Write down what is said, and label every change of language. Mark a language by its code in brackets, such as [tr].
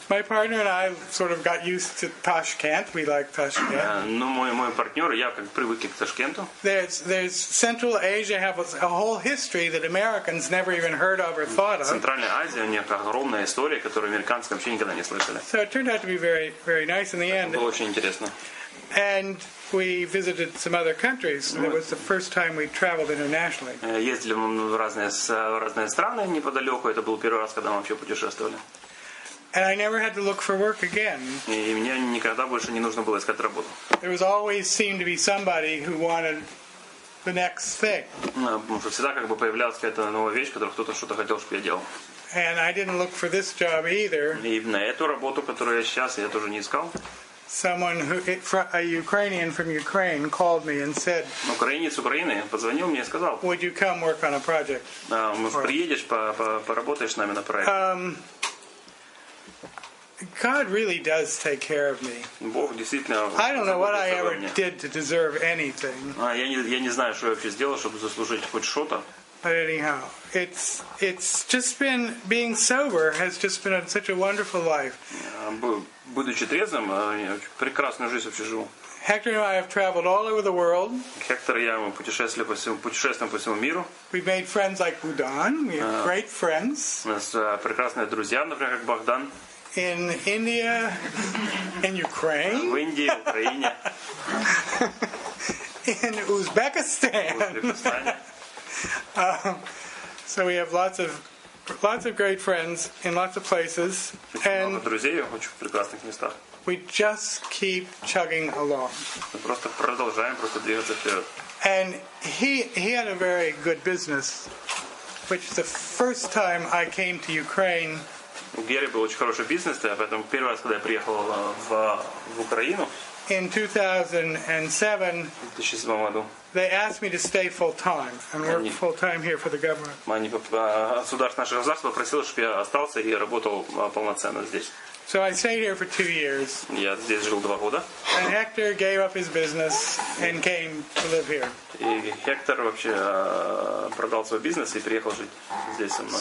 [en] My partner and I sort of got used to Tashkent. We like Tashkent. [ru] Ну, мой партнер, я как привык к Ташкенту. [en] There's Central Asia have a whole history that Americans never even heard of or thought of. [ru] Центральная Азия, у них огромная история, которую американцы вообще никогда не слышали. [en] So it turned out to be very, very nice in the end. [ru] Было очень интересно. [en] And we visited some other countries. It was the first time we traveled internationally. [ru] Ездили мы в разные страны неподалеку. Это был первый раз, когда мы вообще путешествовали. [en] And I never had to look for work again. [ru] И мне никогда больше не нужно было искать работу. [en] There was always seemed to be somebody who wanted the next thing. [ru] Всегда как бы появлялась какая-то новая вещь, которую кто-то что-то хотел, чтобы я делал. [en] And I didn't look for this job either. [ru] И на эту работу, которую я сейчас, я тоже не искал. [en] Someone who a Ukrainian from Ukraine called me and said. [ru] Украинец Украины позвонил мне и сказал. [en] Would you come work on a project? [ru] Приедешь, поработаешь с нами на проекте. [en] God really does take care of me. [ru] Бог действительно. [en] I don't know what I ever did to deserve anything. [ru] Я не знаю, что я вообще сделал, чтобы заслужить хоть что-то. [en] But anyhow, it's just been being sober has just been such a wonderful life. [ru] Будучи трезвым, прекрасную жизнь вообще живу. [en] Hector and I have traveled all over the world. [ru] Hector и я мы путешествовали по всему миру. [en] We've made friends like Budan. We have great friends. [ru] У нас прекрасные друзья, например, как Богдан. [en] In India, in Ukraine. [ru] В Индии, в Украине. [en] In Uzbekistan. So we have lots of great friends in lots of places. [ru] And друзей в очень прекрасных местах. [en] We just keep chugging along. [ru] Мы просто продолжаем просто двигаться вперед. [en] And he had a very good business, which the first time I came to Ukraine. [ru] У Гери был очень хороший бизнес, поэтому первый раз, когда я приехал в Украину. [en] In 2007, they asked me to stay full time and work full time here for the government. [ru] Они государственное государство просило, чтобы я остался и работал полноценно здесь. [en] So I stayed here for 2 years. [ru] Я здесь жил 2 года. [en] And Hector gave up his business and came to live here. [ru] И Хектор вообще продал свой бизнес и приехал жить здесь со мной.